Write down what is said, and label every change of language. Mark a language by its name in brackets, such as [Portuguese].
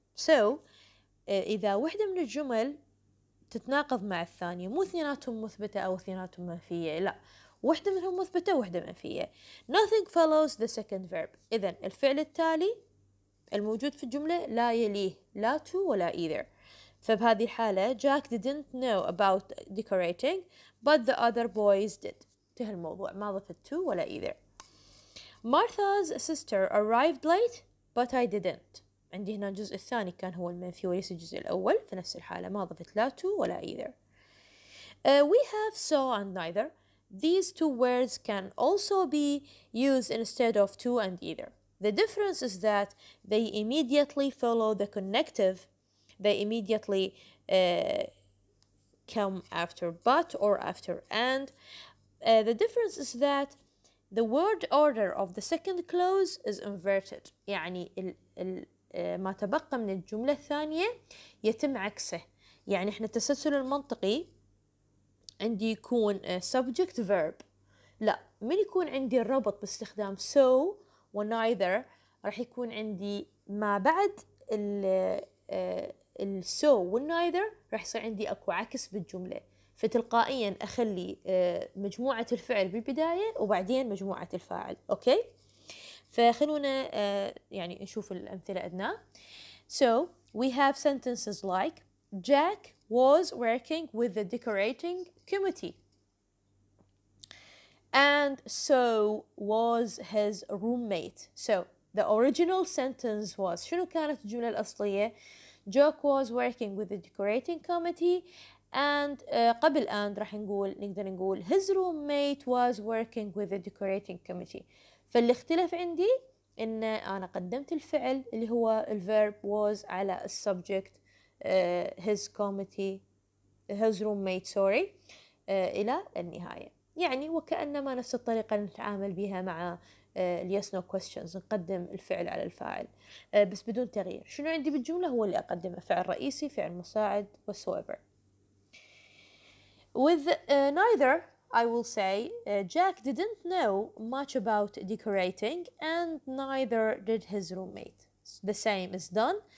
[Arabic] So, إذا واحدة من الجمل تتناقض مع الثانية، مو اثنيناتهم مثبتة أو اثنيناتهم منفية، لا، واحدة منهم مثبتة واحدة منفية. [English] Nothing follows the second verb. [Arabic] إذن الفعل التالي الموجود في الجملة لا يليه لا to ولا either. فبهذه الحالة [English] Jack didn't know about decorating but the other boys did. [Arabic] انتهى الموضوع، ما ضفت to ولا either. [English] Martha's sister arrived late but I didn't. [Arabic] عندي هنا الجزء الثاني كان هو المنفي وليس الجزء الأول، في نفس الحالة ما ضفت لا to ولا either. [English] We have so and neither. These two words can also be used instead of to and either. The difference is that they immediately follow the connective. They immediately come after but or after and. The difference is that the word order of the second clause is inverted. [Arabic] يعني ما تبقى من الجملة الثانية يتم عكسه. يعني إحنا التسلسل المنطقي عندي يكون subject verb. لا، من يكون عندي الربط باستخدام so وneither راح يكون عندي ما بعد ال so والneither راح يصير عندي أكو عكس بالجملة. فتلقائيا أخلي مجموعة الفعل بالبداية وبعدين مجموعة الفاعل. أوكي؟ فخلونا يعني نشوف الأمثلة أدنى. [English] So we have sentences like Jack was working with the decorating committee and so was his roommate. So the original sentence was [Arabic] شنو كانت الجملة الأصلية؟ [English] Jack was working with the decorating committee and [Arabic] قبل [English] and [Arabic] راح نقول نقدر نقول [English] his roommate was working with the decorating committee. [Arabic] فاللي اختلف عندي ان انا قدمت الفعل اللي هو الverb was على السبجكت [English] his committee his roommate sorry [Arabic] الى النهاية. يعني وكأنما نفس الطريقة نتعامل بها مع [English] yes no questions، [Arabic] نقدم الفعل على الفاعل بس بدون تغيير. شنو عندي بالجملة هو اللي أقدمه، فعل رئيسي فعل مساعد whatsoever. [English] With neither I will say Jack didn't know much about decorating and neither did his roommate. The same is done.